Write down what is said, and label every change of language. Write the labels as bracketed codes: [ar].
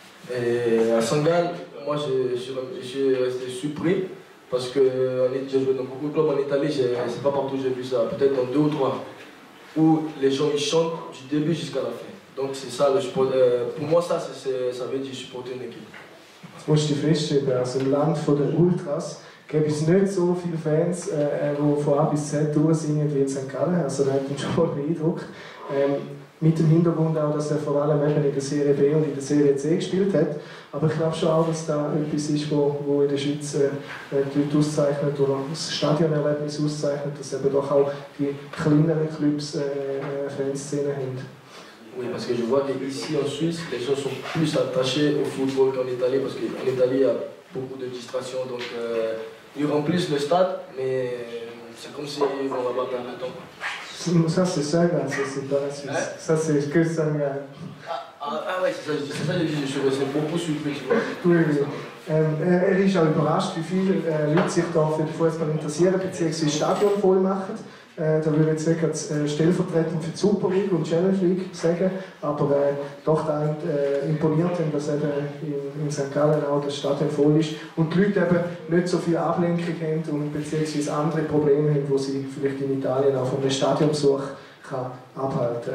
[fr] Et à Saint-Gall, moi, j'ai resté surpris parce que j'ai joué dans beaucoup de clubs en Italie, c'est pas partout où j'ai vu ça, peut-être dans deux ou trois, où les gens ils chantent du début jusqu'à la fin. Donc c'est ça, le supporter. Pour moi, ça veut dire supporter une équipe. [de] Du musst dich feststellen, also im Land der Ultras gäbe es nicht so viele Fans, die von A bis Z durchsingen wie in St. Gallen. Also da hat man schon einen Eindruck. Mit dem Hintergrund auch, dass er vor allem eben in der Serie B und in der Serie C gespielt hat. Aber ich glaube schon auch, dass da etwas ist, wo in der Schweiz die Leute auszeichnet oder das Stadionerlebnis auszeichnet, dass eben doch auch die kleineren Clubs Fanszene haben. [fr] Oui, parce que je vois qu'ici en Suisse, les gens sont plus attachés au football qu'en Italie, parce qu'en Italie, il y a beaucoup de distractions, donc ils remplissent le stade, mais c'est comme s'ils si vont là-bas perdre le temps. Ça, c'est ça, là, c'est pas la Suisse. Hein? Ça, c'est que ça. Ouais, c'est ça, je dis, beaucoup surpris, tu vois. Oui. [de] Er ist auch überrascht, wie viele Leute sich da für den Fußball interessieren, beziehungsweise Stadion voll machen. Da würde ich jetzt gerade stellvertretend für die Super League und Challenge League sagen, aber doch da imponiert, dass eben in St. Gallen auch das Stadion voll ist und die Leute eben nicht so viel Ablenkung haben und beziehungsweise andere Probleme haben, die sie vielleicht in Italien auch von einem Stadionbesuch kann abhalten